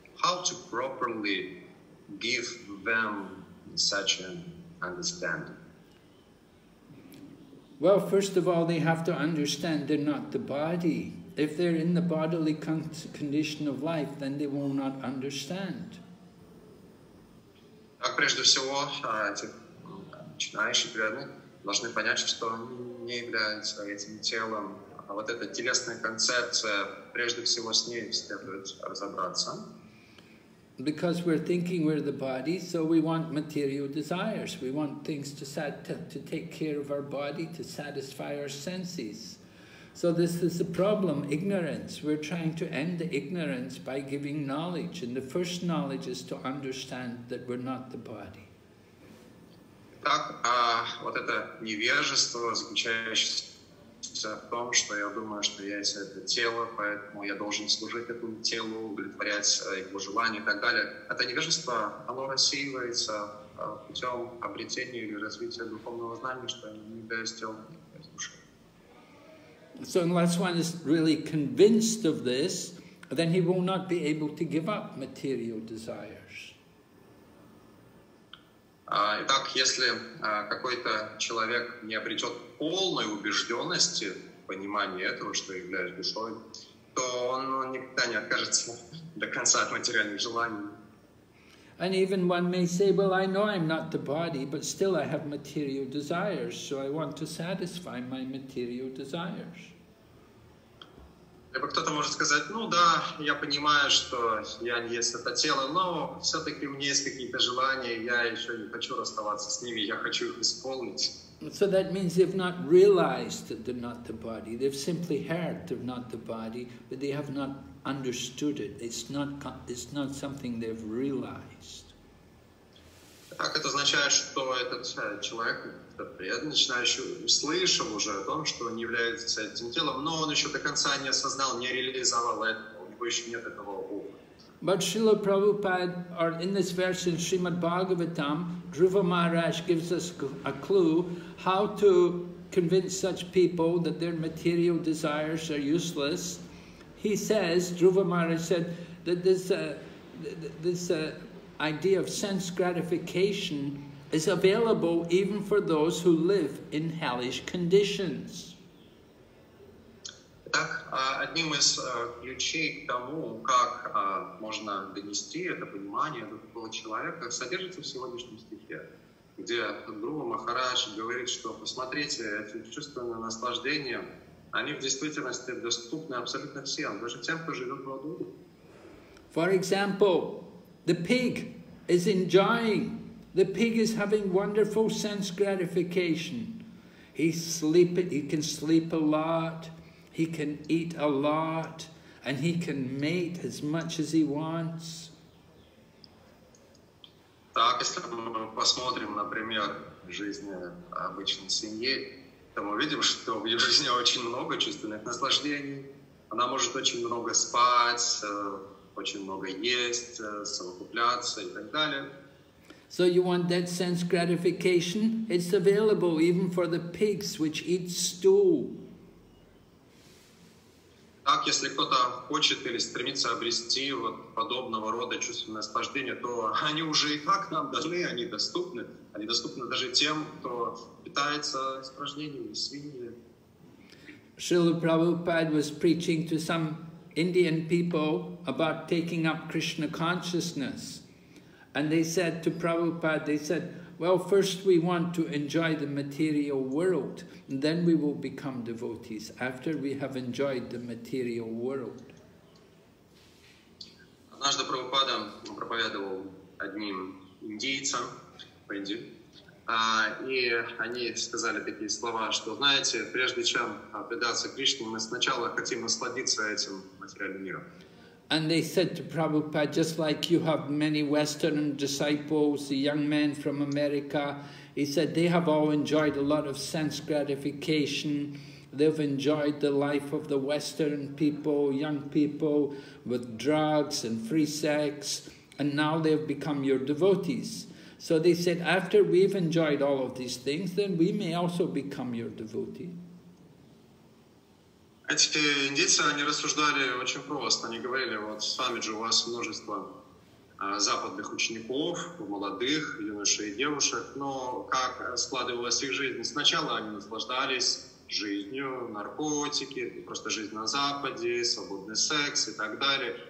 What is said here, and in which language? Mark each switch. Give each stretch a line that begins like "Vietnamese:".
English: How to properly give them such an understanding? Well, first of all, they have to understand they're not the body. If they're in the bodily condition of life, then they will not understand.
Russian: Так, прежде всего, эти начинающие преданные должны понять, что они не являются этим телом. А вот эта телесная концепция, прежде всего, с ней следует разобраться.
English: Because we're thinking we're the body, so we want material desires. We want things to take care of our body, to satisfy our senses. So this is the problem, ignorance. We're trying to end the ignorance by giving knowledge. And the first knowledge is to understand that we're not the body.
Russian: Так, вот это невежество, заключающееся в том, что я думаю, что я есть это тело, поэтому я должен служить этому телу, удовлетворять его желания и так далее. Это невежество, оно рассеивается путем обретения или развития духовного знания, что я не являюсь телом.
English: So unless one is really convinced of this, then he will not be able to give up material desires.
Russian: Итак, если какой-то человек не обретет полной убежденности в понимании этого, что являюсь душой, то он никогда не откажется до конца от материальных желаний.
English: And even one may say, well, I know I'm not the body, but still I have material desires, so I want to satisfy my material desires.
Russian: Либо кто-то может сказать, ну да, я понимаю, что я не есть это тело, но все-таки у меня есть какие-то желания, я еще не хочу расставаться с ними, я хочу их исполнить.
English: So that means they've not realized that they're not the body. They've simply heard they're not the body, but they have not understood it. It's not something they've realized.
Russian: Так это означает, что этот человек, преданный, начинающий, слышал уже о том, что он является этим телом, но он еще до конца не осознал, не реализовал это, у него еще нет этого опыта.
English: But Srila Prabhupada, or in this verse in Srimad Bhagavatam, Dhruva Maharaj gives us a clue how to convince such people that their material desires are useless. He says, Dhruva Maharaj said, that this idea of sense gratification is available even for those who live in hellish conditions.
Russian: Так, одним из ключей к тому, как можно донести это понимание до такого человека, содержится в сегодняшнем стихе, где Дхрува Махарадж говорит, что посмотрите, эти чувственные наслаждения, они в действительности доступны абсолютно всем, даже тем, кто живет в аду.
English: For example, the pig is enjoying. The pig is having wonderful sense gratification. He can sleep a lot, he can eat a lot, and he can mate as much as he wants.
Russian: Так, если мы посмотрим, например, жизнь обычной семьи, то мы видим, что в ее жизни очень много чувственных наслаждений. Она может очень много спать, очень много есть, совокупляться и так далее.
English: So you want that sense gratification? It's available even for the pigs which eat stool.
Russian: Так, если кто-то хочет или стремится обрести вот подобного рода чувственное наслаждение, то они уже и так нам даны, они доступны. Они доступны даже тем, кто питается испражнениями, свиньями.
English: Srila Prabhupada was preaching to some Indian people about taking up Krishna consciousness. And they said to Prabhupada, they said, well, first we want to enjoy the material world, and then we will become devotees, after we have enjoyed the material world.
Russian: Однажды Прабхупада проповедовал одним индийцам в Индии, и они сказали такие слова, что, знаете, прежде чем предаться Кришне, мы сначала хотим насладиться этим материальным миром.
English: And they said to Prabhupada, just like you have many Western disciples, the young men from America, he said, they have all enjoyed a lot of sense gratification. They've enjoyed the life of the Western people, young people, with drugs and free sex. And now they have become your devotees. So they said, after we've enjoyed all of these things, then we may also become your devotee.
Russian: Эти индийцы, они рассуждали очень просто. Они говорили, вот с вами же у вас множество западных учеников, молодых, юношей и девушек, но как складывалась их жизнь? Сначала они наслаждались жизнью, наркотики, просто жизнь на Западе, свободный секс и так далее.